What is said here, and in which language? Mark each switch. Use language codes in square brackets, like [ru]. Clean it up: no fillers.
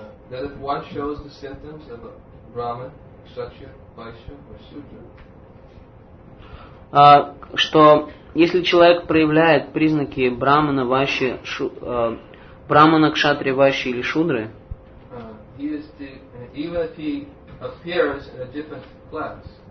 [en] That if one shows the symptoms of a Brahman, Kshatriya, Vaishya, or Shudra, [ru] что если человек проявляет признаки Брахмана, Вайши, Брахмана, Кшатри, Вайши или Шудры, [en] even if he appears in a different class,